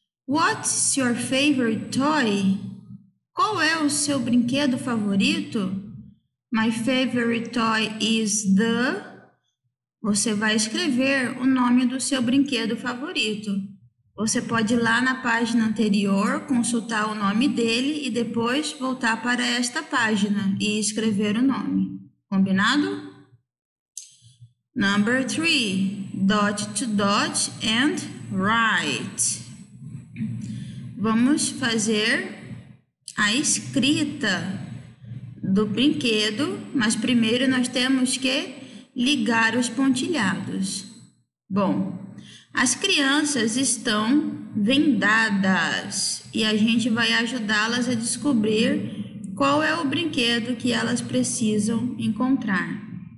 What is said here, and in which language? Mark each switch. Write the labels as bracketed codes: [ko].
[en] What's your favorite toy? [pt] Qual é o seu brinquedo favorito? [en] My favorite toy is the. [pt] Você vai escrever o nome do seu brinquedo favorito. Você pode ir lá na página anterior, consultar o nome dele e depois voltar para esta página e escrever o nome. Combinado? [en] Number three, dot to dot and write. [pt] Vamos fazer a escrita do brinquedo, mas primeiro nós temos que ligar os pontilhados. Bom, as crianças estão vendadas e a gente vai ajudá-las a descobrir qual é o brinquedo que elas precisam encontrar.